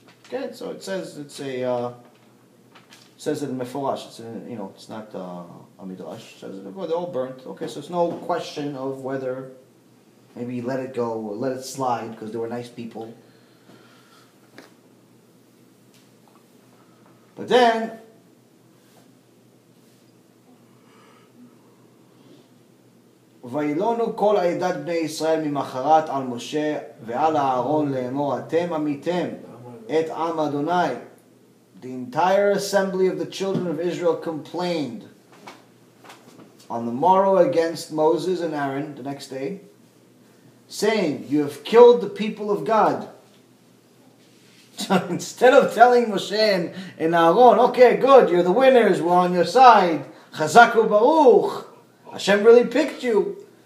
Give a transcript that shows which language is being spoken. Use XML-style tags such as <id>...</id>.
<en>Okay, so it says it's a says it in Mefilash. It's a, you know, it's not a Midrash. It says it, they all burnt. Okay, so it's no question of whether maybe you let it go or let it slide because they were nice people.</en> <he>But then וילונו כל עידת בני ישראל ממחרת על משה ועל אהרון לאמור אתם עמיתם את עם אדוני.</he> <en>The entire assembly of the children of Israel complained on the morrow against Moses and Aaron, the next day, saying, you have killed the people of God. So instead of telling Moshe and Aaron, okay, good, you're the winners, we're on your side, Chazak u'baruch, Hashem really picked you.</en>